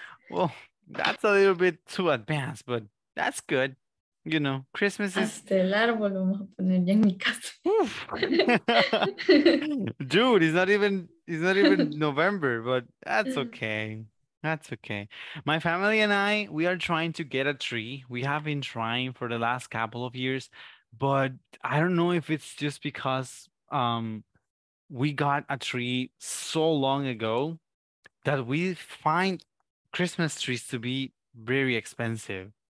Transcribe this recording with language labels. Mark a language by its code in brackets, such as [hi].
[en] Well, that's a little bit too advanced, but that's good. You know, Christmas is... [es] Hasta el árbol vamos a poner ya en mi casa. [en] Dude, it's not even November, but that's okay. That's okay. My family and I, we are trying to get a tree. We have been trying for the last couple of years. But I don't know if it's just because we got a tree so long ago that we find Christmas trees to be very expensive.